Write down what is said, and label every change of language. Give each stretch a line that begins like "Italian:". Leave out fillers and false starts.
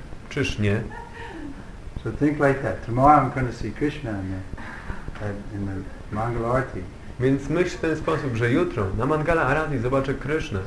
Polish: Czyż nie?
English: So think like that. Tomorrow I'm going to see Krishna in the Mangala Arati.
Polish: Więc myśl w ten sposób, że jutro na Mangala Arati zobaczę Krishna.